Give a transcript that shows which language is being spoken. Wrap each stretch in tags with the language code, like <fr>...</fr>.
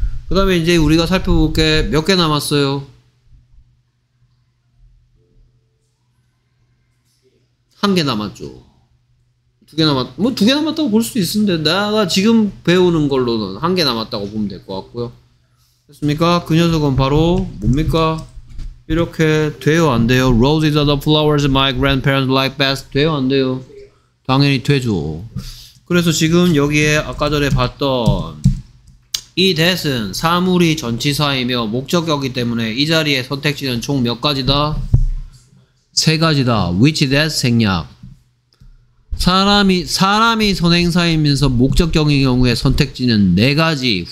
<ko>그 다음에 이제 우리가 살펴볼 게 몇 개 남았어요? 한 개 남았죠. 두 개 남았다고 볼 수도 있는데 내가 지금 배우는 걸로는 한 개 남았다고 보면 될 것 같고요. 됐습니까? 그 녀석은 바로 뭡니까? 이렇게 돼요 안 돼요?</ko> <en>Roses are the flowers my grandparents like best.</en> <ko>돼요 안 돼요? 당연히 되죠. 그래서 지금 여기에 아까 전에 봤던 이 that은 사물이 전치사이며 목적격이기 때문에 이 자리에 선택지는 총 몇 가지다? 세 가지다. Which that 생략. 사람이 선행사이면서 목적격인 경우에 선택지는 네 가지.</ko>